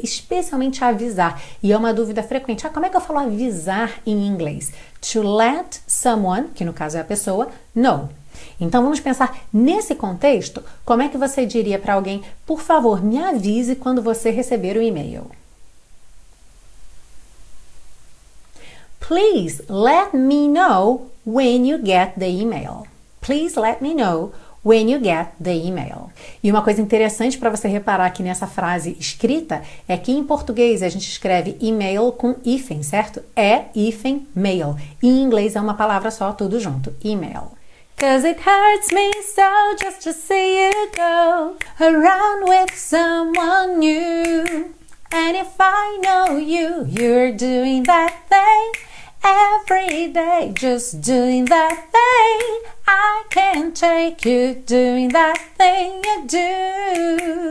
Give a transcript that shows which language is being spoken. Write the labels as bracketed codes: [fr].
[pt] Especialmente avisar. E é uma dúvida frequente. Ah, como é que eu falo avisar em inglês? [en] To let someone, [pt] que no caso é a pessoa, know. Então, vamos pensar nesse contexto, como é que você diria para alguém, por favor, me avise quando você receber o e-mail. [en] Please let me know when you get the email. Please let me know when you get the email. [pt] E uma coisa interessante para você reparar aqui nessa frase escrita é que em português a gente escreve e-mail com hífen, certo? É hífen mail. E em inglês é uma palavra só, tudo junto, e-mail. [en] Cause it hurts me so just to see you go around with someone new. And if I know you, you're doing that thing every day, just doing that thing. I can't take you doing that thing you do.